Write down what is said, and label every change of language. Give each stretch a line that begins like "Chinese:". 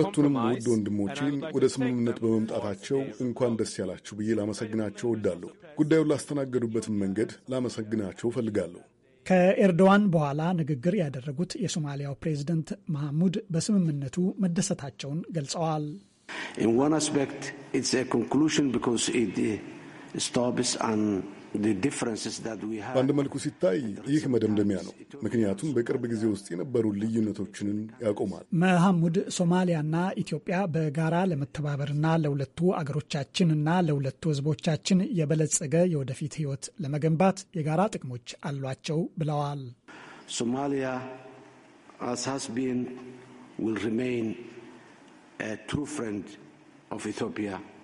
Amharic: ሁለቱንም ውድ ወንድሞቼን ወደ ስምምነት በመምጣታቸው እንኳን ደስ ያላችሁ ብዬ ላመሰግናቸው እወዳለሁ። ጉዳዩን ላስተናገዱበት መንገድ ላመሰግናቸው ፈልጋለሁ። ከኤርዶዋን በኋላ ንግግር ያደረጉት የሶማሊያው ፕሬዝደንት ማህሙድ በስምምነቱ መደሰታቸውን ገልጸዋል።
English: In one aspect it's a conclusion because it stops on the differences that we have.
Amharic: በአንድ መልኩ ሲታይ ይህ መደምደሚያ ነው፣ ምክንያቱም በቅርብ ጊዜ ውስጥ የነበሩ ልዩነቶችን ያቆማል። ማህሙድ ሶማሊያና ኢትዮጵያ በጋራ ለመተባበርና ለሁለቱ አገሮቻችንና ለሁለቱ ህዝቦቻችን የበለጸገ የወደፊት ህይወት ለመገንባት የጋራ ጥቅሞች አሏቸው ብለዋል።
English: Somalia as has been will remain a true friend of Ethiopia.